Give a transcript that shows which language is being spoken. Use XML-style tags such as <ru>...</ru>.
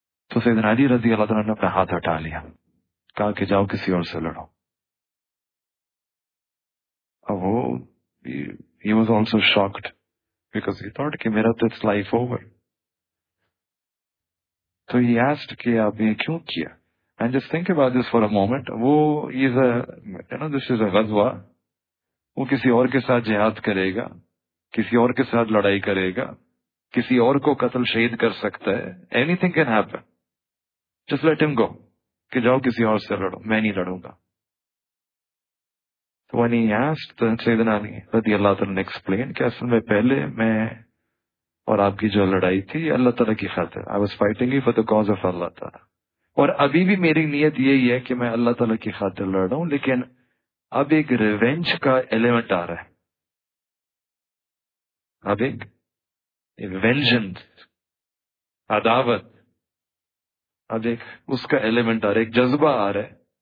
<ur>تو سیدنا علی رضی اللہ تعالی نے اپنا ہاتھ ہٹا لیا, کہا کہ جاؤ کسی اور سے لڑو.</ur> <en>اب وہ he was also shocked because he thought</en> <ur>کہ میرا تو</ur> <en>It's life over.</en> <ur>تو</ur> <en>he asked</en> <ur>کہ آپ نے کیوں کیا.</ur> <en>And just think about this for a moment. وہ is a, you know, this is a غزوہ.</en> <ur>وہ کسی اور کے ساتھ جہاد کرے گا, کسی اور کے ساتھ لڑائی کرے گا, کسی اور کو قتل شہید کر سکتا ہے.</ur> <en>anything can happen, just let ہم go</en> <ur>کہ جاؤ کسی اور سے لڑو, میں نہیں لڑوں گا. تو</ur> <en>when he asked,</en> <ur>سیدنا علی رضی اللہ تعالیٰ نے ایکسپلین کہ اصل میں پہلے میں اور آپ کی جو لڑائی تھی اللہ تعالیٰ کی خاطر,</ur> <en>I was fighting for the cause of</en> <ur>اللہ تعالیٰ, اور ابھی بھی میری نیت یہی ہے کہ میں اللہ تعالیٰ کی خاطر لڑ رہا ہوں, لیکن اب ایک ریونج کا ایلیمنٹ آ رہا ہے, اب ایک وینجنس, عداوت, اب ایک اس کا ایلیمنٹ آ رہا ہے, ایک جذبہ آ رہا ہے.</ur>